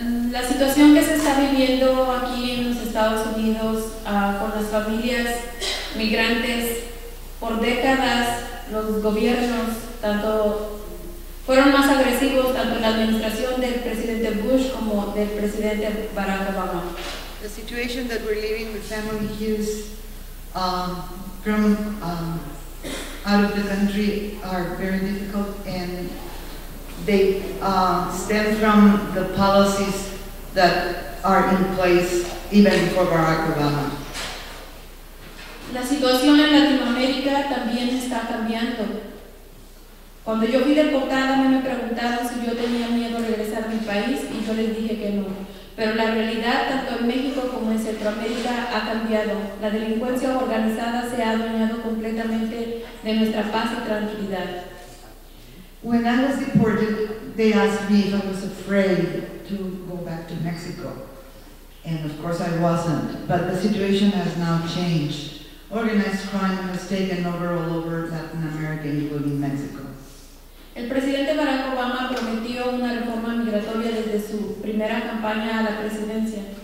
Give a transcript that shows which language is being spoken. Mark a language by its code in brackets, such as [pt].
[es] La situación que se está viviendo aquí en los Estados Unidos por las familias migrantes, por décadas los gobiernos tanto fueron más agresivos tanto en la administración del presidente Bush como del presidente Barack Obama. [en] The situation that we're living with family here from out of the country are very difficult, and they stem from the policies that are in place even before Barack Obama. [es] La situación en Latinoamérica también está cambiando. Cuando yo fui deportada, me preguntaron si yo tenía miedo de regresar a mi país, y yo les dije que no. Pero la realidad, tanto en México como en Centroamérica, ha cambiado. La delincuencia organizada se ha adueñado completamente de nuestra paz y tranquilidad. [en] When I was deported, they asked me if I was afraid to go back to Mexico. And of course I wasn't, but the situation has now changed. Organized crime has taken over all over Latin America, including Mexico. [es] El presidente Barack Obama prometió una reforma migratoria desde su primera campaña a la presidencia.